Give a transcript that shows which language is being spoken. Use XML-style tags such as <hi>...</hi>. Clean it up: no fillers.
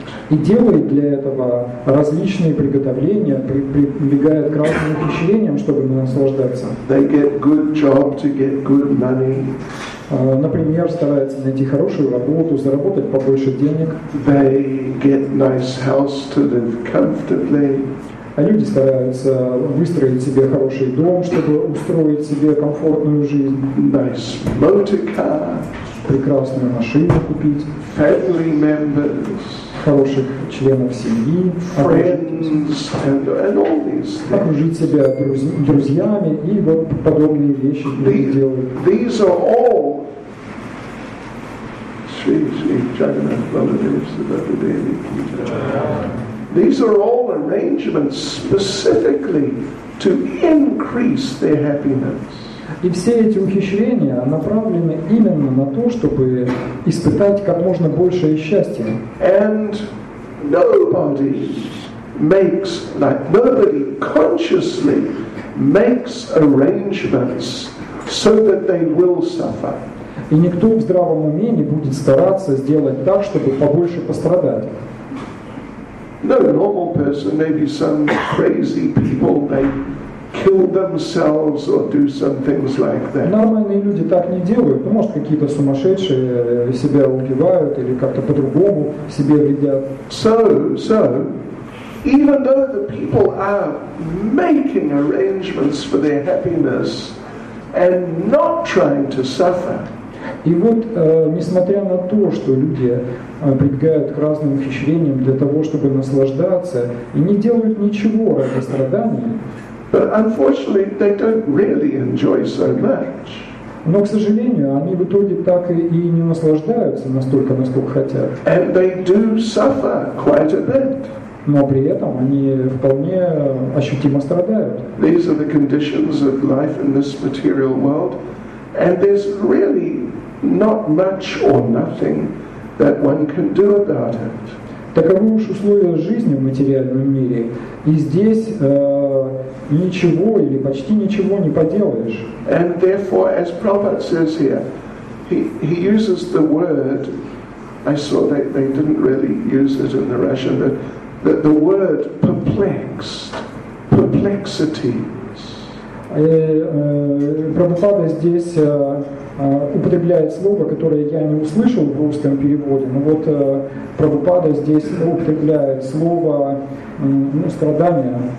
<ru>И делает для этого различные приготовления, прибегает к разным ухищрениям, чтобы наслаждаться.</ru> <en>They get good job to get good money.</en> <ru>Например, старается найти хорошую работу, заработать побольше денег.</ru> <en>They get nice house to live comfortably.</en> <ru>А люди стараются выстроить себе хороший дом, чтобы устроить себе комфортную жизнь.</ru> <en>Nice motor car.</en> <ru>Прекрасную машину купить.</ru> <en>Family members.</en> <ru>Хороших членов семьи.</ru> <en>Friends and all these things.</en> <ru>Окружить себя друзьями и вот подобные вещи люди делают.</ru> <en>These are all Sri Sri Jagannath Baladev's Bhagavad Gita. These are all arrangements specifically to increase their happiness.</en> <ru>И все эти ухищрения направлены именно на то, чтобы испытать как можно большее счастье.</ru> <en>And nobody makes, like nobody consciously makes arrangements so that they will suffer.</en> <ru>И никто в здравом уме не будет стараться сделать так, чтобы побольше пострадать.</ru> <en>No normal person, maybe some crazy people, they kill themselves or do some things like that.</en> <ru>Нормальные люди так не делают. Ну, может, какие-то сумасшедшие себя убивают или как-то по-другому себе вредят.</ru> <en>So, even though the people are making arrangements for their happiness and not trying to suffer.</en> <ru>И вот, несмотря на то, что люди прибегают к разным ухищрениям для того, чтобы наслаждаться, и не делают ничего ради страданий,</ru> <en>but unfortunately, they don't really enjoy so much.</en> <ru>Но, к сожалению, они в итоге так и не наслаждаются настолько, насколько хотят.</ru> <en>And they do suffer quite a bit.</en> <ru>Но при этом они вполне ощутимо страдают.</ru> <en>These are the conditions of life in this material world. And there's really not much or nothing that one can do about it.</en> <ru>Таковы уж условия жизни в материальном мире, и здесь ничего или почти ничего не поделаешь.</ru> <en>And therefore, as Prabhupada says here, he uses the word. I saw that they didn't really use it in the Russian, but that the word perplexed, perplexity.</en> <ru>И Прабхупада здесь употребляет слово, которое я не услышал в русском переводе, но вот Прабхупада здесь употребляет слово страдания.</ru>